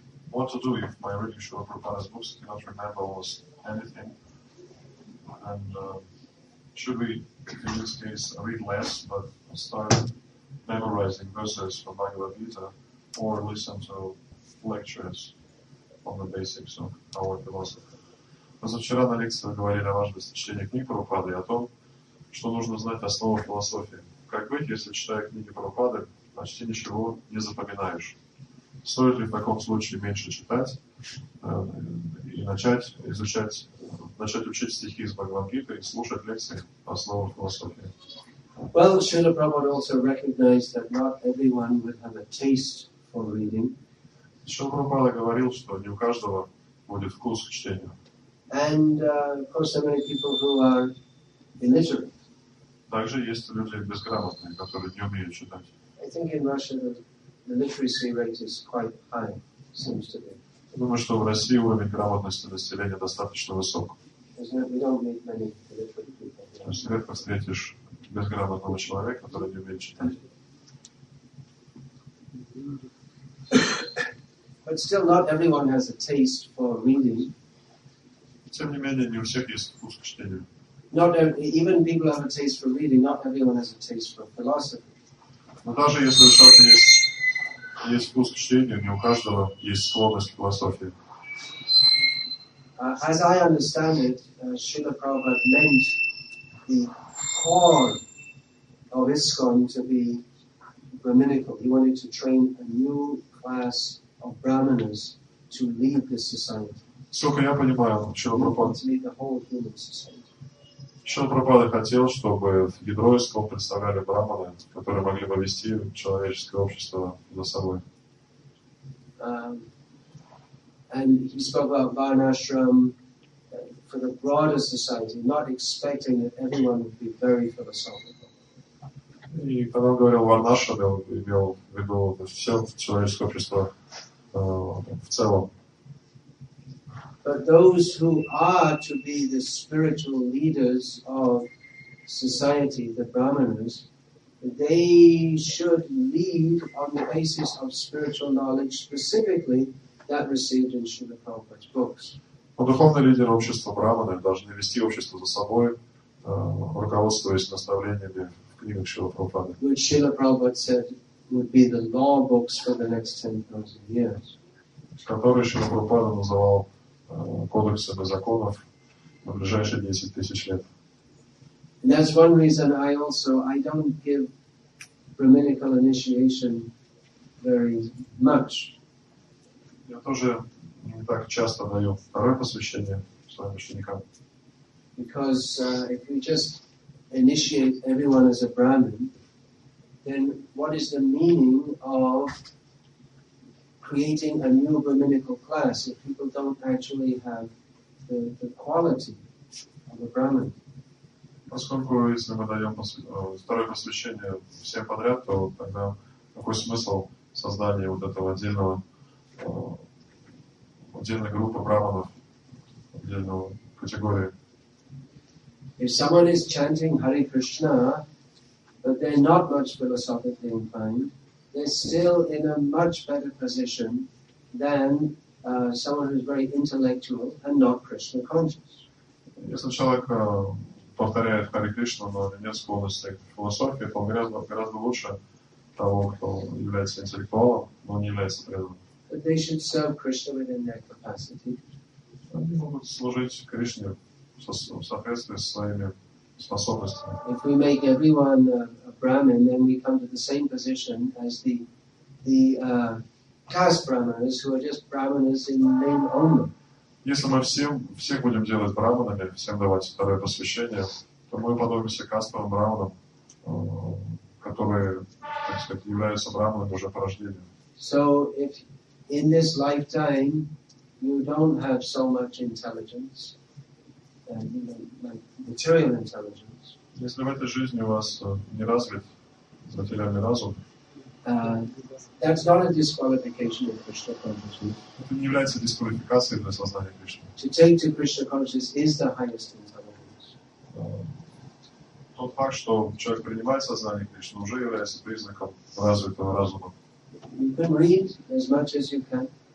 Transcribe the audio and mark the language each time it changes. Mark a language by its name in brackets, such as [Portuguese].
[English] What to do if by reading Srila Prabhupada's books you cannot remember almost anything? And should we, in this case, read less but start memorizing verses from Bhagavad Gita or listen to lectures on the basics of our philosophy? [Russian] Позавчера на лекции говорили о важности чтения книг Прабхупады и о том, что нужно знать основу философии. Как быть, если, читая книги Прабхупады, почти ничего не запоминаешь? Стоит ли в таком случае меньше читать и начать изучать, начать учить стихи из Бхагавад-гиты и слушать лекции по основам философии? [English] Well, Srila Prabhupada also recognized that not everyone would have a taste for reading. [Russian] Srila Prabhupada говорил, что не у каждого будет вкус к чтению. [English] And, of course, there are many people who are illiterate. [Russian] Также есть люди безграмотные, которые не умеют читать. [English] I think in Russia the literacy rate is quite high, seems to be. [Russian] Думаю, что в России уровень грамотности населения достаточно высок. [English] We don't meet many illiterate people. [Russian] То есть редко встретишь безграмотного человека, который не умеет читать. [English] But still not everyone has a taste for reading. [Russian] Тем не менее, не у всех есть вкус к чтению. [English] Not even people have a taste for reading. Not everyone has a taste for philosophy. [Russian] Но даже если у человека есть вкус к чтению, не у каждого есть склонность к философии. [English] As I understand it, Srila Prabhupada meant the core of ISKCON to be brahminical. He wanted to train a new class of brahmanas to lead this society. [Russian] Сколько я понимаю, Srila Prabhupada. [English] To lead the whole human society. [Russian] Шрила Прабхупада хотел, чтобы ядро ИСКОН представляли брахманы, которые могли бы вести человеческое общество за собой. [English] And he spoke about Varnashram for the broader society, not expecting that everyone would be very philosophical. [Russian] И когда он говорил Варнашрам, он имел в виду все человеческое общество в целом. [English] But those who are to be the spiritual leaders of society, the brahmanas, they should lead on the basis of spiritual knowledge specifically that received in Srila Prabhupada's books. [Russian] Но духовные лидеры общества брахманы должны вести общество за собой, руководствуясь наставлениями в книгах Шрила Прабхупады. [English] Which Srila Prabhupada said would be the law books for the next 10,000 years. [Russian] Которые Шрила Прабхупада называл кодексов и законов на ближайшие 10 тысяч лет. [English] And that's one reason I don't give brahminical initiation very much. [Russian] Я тоже не так часто даю второе посвящение своим ученикам. [English] Because if we just initiate everyone as a brahmin, then what is the meaning of creating a new brahminical class if people don't actually have the quality of a brahmin? [Russian] Поскольку если мы даем второе посвящение всем подряд, то тогда какой смысл создания вот этого отдельного отдельная группа браманов отдельного категории. [English] If someone is chanting Hare Krishna, but they're not much philosophically inclined, they're still in a much better position than someone who's very intellectual and not Krishna conscious. [Russian] Если человек повторяет Hare Krishna, но нет склонности к философии, то он гораздо, гораздо лучше того, кто является интеллектуалом, но не является преданным. [English] But they should serve Krishna within their capacity. [Russian] Они могут служить Кришне в соответствии со своими способностями. [English] If we make everyone a Brahmin, then we come to the same position as the caste Brahmanas, who are just Brahmanas in name only. [Russian] Если мы всех будем делать браманами, всем давать второе посвящение, то мы подобимся кастовым браманам, которые, так сказать, являются браманами уже по рождению. [English] So if in this lifetime you don't have so much intelligence, like material intelligence, [Russian] если в этой жизни у вас не развит материальный разум, [English] That's not a disqualification of Krishna consciousness. [Russian] Это не является дисквалификацией для сознания Кришны. [English] To take to Krishna consciousness is the highest intelligence. [Russian] Тот факт, что человек принимает сознание Кришны, уже является признаком развитого разума. [English] You can read as much as you can.